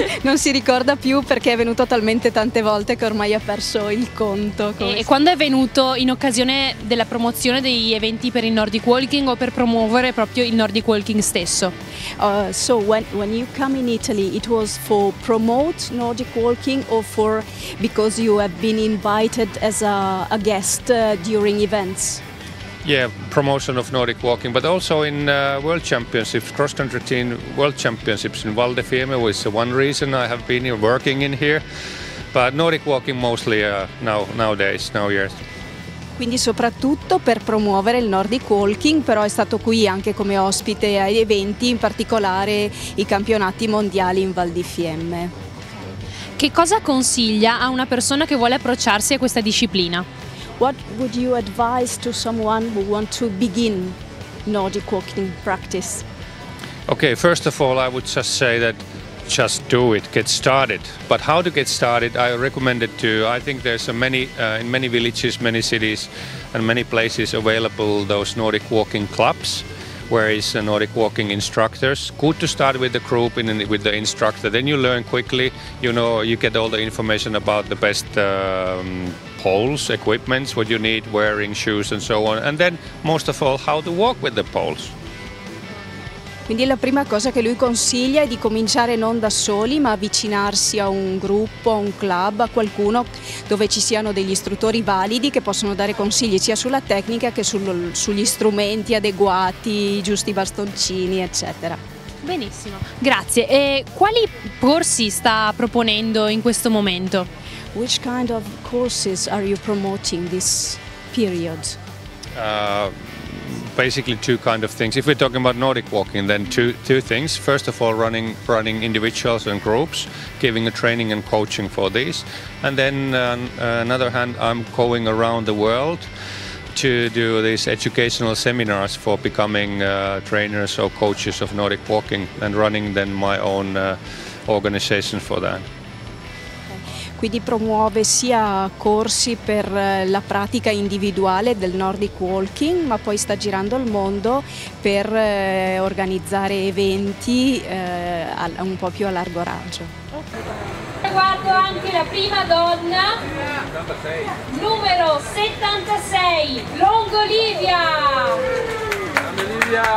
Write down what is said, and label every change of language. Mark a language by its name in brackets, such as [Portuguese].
[Italian] Non si ricorda più perché è venuto talmente tante volte che ormai ha perso il conto. E quando è venuto? In occasione della promozione degli eventi per il Nordic Walking o per promuovere proprio il Nordic Walking stesso? [English] So when you come in Italy, it was for promote Nordic Walking or for because you have been invited as a guest during events? Yeah, promotion of Nordic Walking, but also in World Championships, Cross Country Team World Championships in Val d'Efeme was one reason I have been working in here, but Nordic Walking mostly nowadays. [Italian] Quindi soprattutto per promuovere il Nordic Walking, però è stato qui anche come ospite ai eventi, in particolare i campionati mondiali in Val d'Efeme. Che cosa consiglia a una persona che vuole approcciarsi a questa disciplina? [English] What would you advise to someone who wants to begin Nordic Walking practice? Okay, first of all, I would just say that just do it, get started. But how to get started, I recommend it to, I think there's in many villages, many cities and many places available those Nordic Walking clubs, where is the Nordic Walking instructors. Good to start with the group and with the instructor, then you learn quickly, you know, you get all the information about the best poles, equipments, what you need, wearing shoes and so on, and then most of all how to walk with the poles. [Italian] Quindi la prima cosa che lui consiglia è di cominciare non da soli, ma avvicinarsi a un gruppo, a un club, a qualcuno dove ci siano degli istruttori validi che possono dare consigli sia sulla tecnica che sugli strumenti adeguati, i giusti bastoncini, eccetera. Benissimo, grazie. E quali corsi sta proponendo in questo momento? [English] Which kind of courses are you promoting this period? Basically two kind of things. If we're talking about Nordic walking, then two things. First of all, running individuals and groups, giving a training and coaching for these. And then another hand, I'm going around the world to do these educational seminars for becoming trainers or coaches of Nordic walking, and running then my own organization for that. [Italian] Quindi promuove sia corsi per la pratica individuale del Nordic Walking, ma poi sta girando il mondo per organizzare eventi un po' più a largo raggio. Guardo anche la prima donna, numero 76, Longo Livia!